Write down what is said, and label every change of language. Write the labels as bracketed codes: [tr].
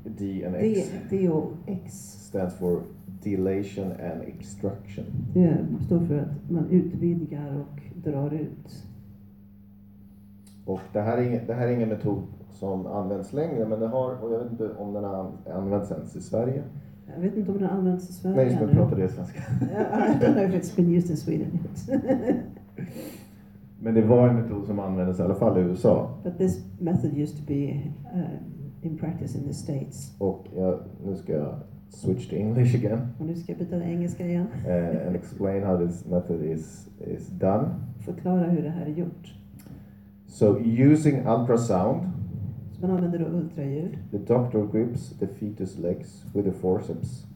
[en] DNX. Stands for dilation and extraction. [sv] Det står för att man utvidgar och drar ut. Och det här är ingen metod som används längre, men det har, och jag vet inte om den har använts ens i Sverige. Jag vet inte om den har använts i Sverige. Nej, just nu pratar det svenska. [en] I don't know if it's been used in Sweden yet. [sv] Men det var en metod som användes i alla fall i USA. [en] But this method used to be in practice in the States. [sv] Och nu ska jag [en] switch to English again. [sv] Och nu ska jag byta till engelska igen. [en] And explain how this method is done. [sv] Förklara hur det här är gjort. [en] So using ultrasound, [sv] så man använder då ultraljud. [en] The doctor grips the fetus legs with the forceps.